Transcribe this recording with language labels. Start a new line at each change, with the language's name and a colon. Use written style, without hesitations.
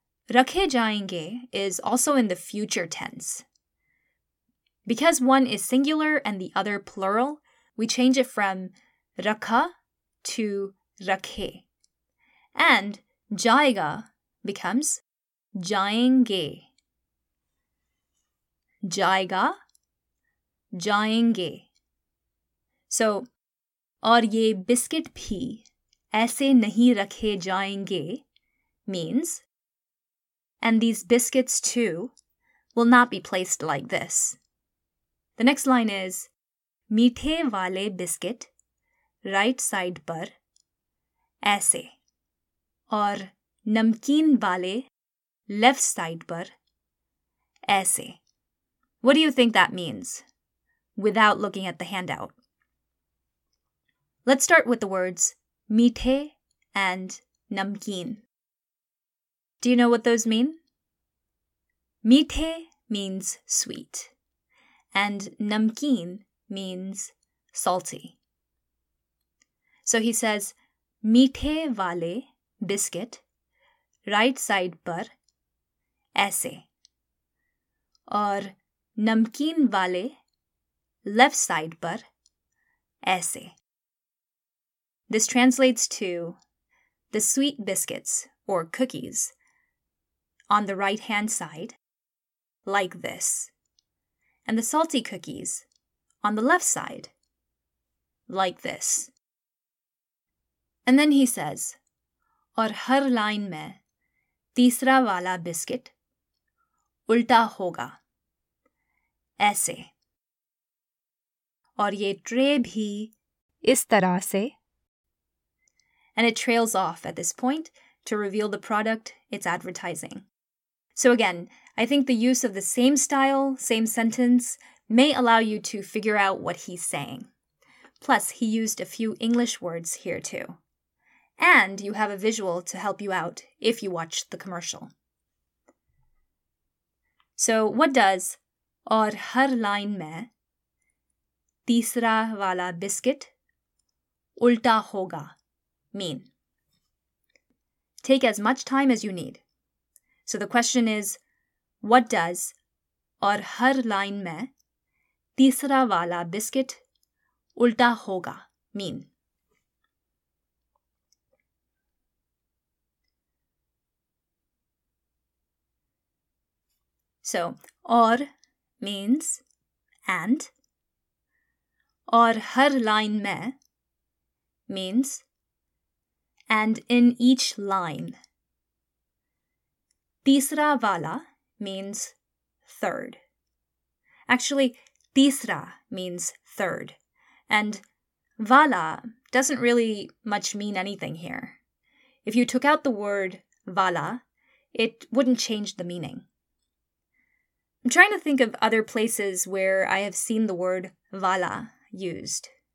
English: Rakhe jayenge is also in the future tense. Because one is singular and the other plural, we change it from rakha to rakhe. And jayega becomes jayenge.
Hindi: जाएगा, जाएंगे।
English: So,
Hindi: और ये biscuit भी ऐसे नहीं रखे जाएंगे
English: means, and these biscuits too will not be placed like this. The next line is,
Hindi: मीठे वाले biscuit right side पर ऐसे और नमकीन वाले left side पर ऐसे।
English: What do you think that means without looking at the handout? Let's start with the words meethe and namkeen. Do you know what those mean? Meethe means sweet and namkeen means salty. So he says,
Hindi: मीठे वाले biscuit right side पर ऐसे और नमकीन वाले left side पर ऐसे।
English: This translates to the sweet biscuits or cookies on the right hand side like this, and the salty cookies on the left side like this. And then he says,
Hindi: और हर line में तीसरा वाला biscuit उल्टा होगा ऐसे और ये tray भी इस तरह से।
English: And it trails off at this point to reveal the product it's advertising. So again, I think the use of the same style, same sentence may allow you to figure out what he's saying. Plus, he used a few English words here too. And you have a visual to help you out if you watch the commercial. So what does
Hindi: और हर line में तीसरा वाला biscuit उल्टा होगा mean?
English: Take as much time as you need. So the question is, what does
Hindi: और हर line में तीसरा वाला biscuit उल्टा होगा
English: mean? So, और means and,
Hindi: और हर line में
English: means and in each line.
Hindi: तीसरा वाला
English: means third. Actually, tisra means third. And wala doesn't really much mean anything here. If you took out the word wala, it wouldn't change the meaning. I'm trying to think of other places where I have seen the word wala used.